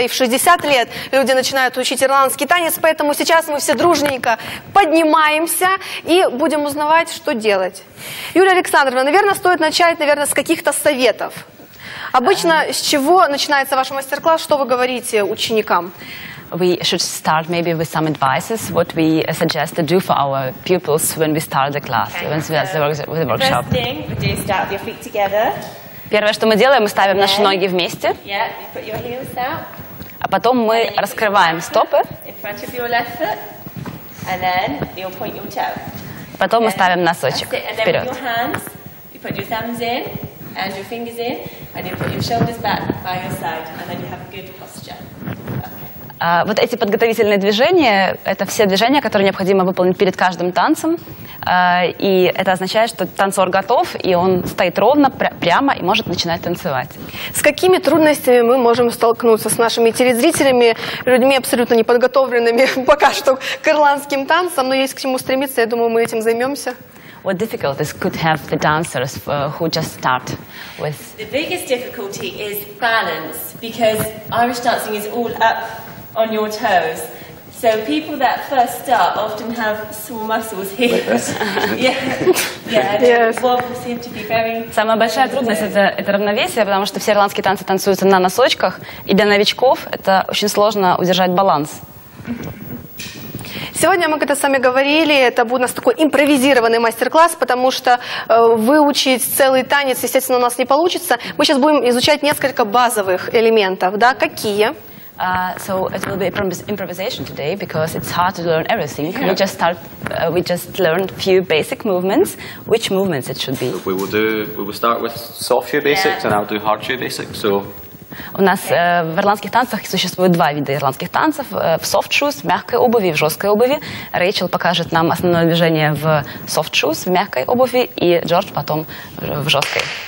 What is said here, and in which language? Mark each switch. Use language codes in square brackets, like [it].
[ru] И в 60 лет люди начинают учить ирландский танец. Поэтому сейчас мы все дружненько поднимаемся и будем узнавать, что делать. Юлия Александровна, наверное, стоит начать, наверное, с каких-то советов. Обычно с чего начинается ваш мастер-класс? Что вы говорите ученикам? [en] We should start maybe with some advices, what we suggest to do for our pupils when we start the class, okay, when we start the workshop. First thing, we do start with your feet together. [ru] Первое, что мы делаем, мы ставим наши ноги вместе. [en] Yeah, you put your heels out. [ru] А потом мы раскрываем стопы. [en] In front of your left foot. And then you'll point your toe. [ru] Потом мы ставим носочек вперед. [en] And then with your hands, you put your thumbs in and your fingers in, and you put your shoulders back by your side, and then you have a good posture. [ru] Вот эти подготовительные движения, это все движения, которые необходимо выполнить перед каждым танцем. И это означает, что танцор готов, и он стоит ровно, прямо и может начинать танцевать. С какими трудностями мы можем столкнуться с нашими телезрителями, людьми абсолютно неподготовленными пока что к ирландским танцам, но есть к чему стремиться, я думаю, мы этим займемся. [en] What difficulties could have the dancers who just start with? The biggest difficulty is balance, because Irish dancing is all up on your toes. So people that first start often have small muscles here. Like this. Yeah. Wobbles seem to be very... [ru] Самая большая трудность это равновесие, потому что все ирландские танцы танцуются на носочках, и для новичков это очень сложно удержать баланс. Сегодня мы когда с вами говорили, это будет у нас такой импровизированный мастер-класс, потому что выучить целый танец, естественно, у нас не получится. Мы сейчас будем изучать несколько базовых элементов, да, какие? [en] So it will be improvisation today because it's hard to learn everything. Yeah. We just learned few basic movements. Which movements it should be? We will start with soft shoe basics, yeah. And I'll do hard shoe basics. So. [ru] У нас в ирландских танцах существует два вида ирландских танцев. В soft shoes, в мягкой обуви, в жесткой обуви. Рэйчел покажет нам основное движение в soft shoes, в мягкой обуви, и Джордж потом в жесткой.